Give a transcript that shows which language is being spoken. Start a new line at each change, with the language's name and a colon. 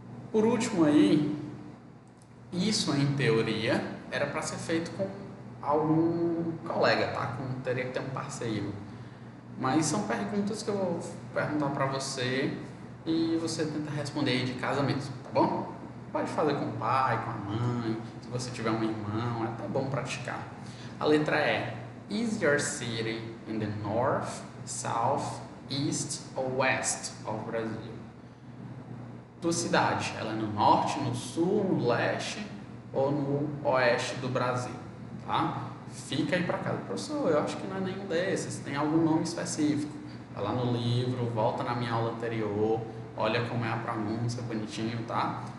Portuguese: Por último aí, isso em teoria era para ser feito com algum colega, tá? Teria que ter um parceiro. Mas são perguntas que eu vou perguntar para você e você tenta responder aí de casa mesmo, tá bom? Pode fazer com o pai, com a mãe, se você tiver um irmão, é até bom praticar. A letra E.
English: Is your city in the north, south, east or west of Brazil?
Portuguese: Tua cidade, ela é no norte, no sul, no leste ou no oeste do Brasil, tá? fica aí para casa. Professor, eu acho que não é nenhum desses, tem algum nome específico. Vai lá no livro, volta na minha aula anterior, olha como é a pronúncia, bonitinho, tá?